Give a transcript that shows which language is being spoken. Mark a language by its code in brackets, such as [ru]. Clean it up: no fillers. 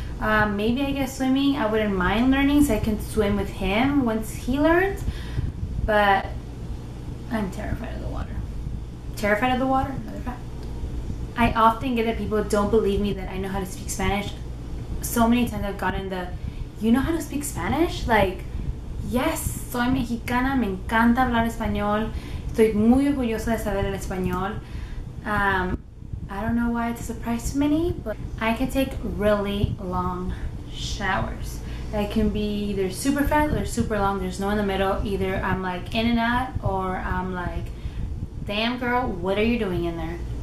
[en] Maybe I guess swimming, I wouldn't mind learning so I can swim with him once he learns, but I'm terrified of the water. Terrified of the water? Another fact. I often get that people don't believe me that I know how to speak Spanish. So many times I've gotten the, you know how to speak Spanish? Like, yes, [es] soy mexicana, me encanta hablar español. Estoy muy orgullosa de saber el español. [en] I don't know why it's a surprise to many, but I can take really long showers. I can be either super fast or super long. There's no in the middle. Either I'm like in and out, or I'm like, damn girl, what are you doing in there?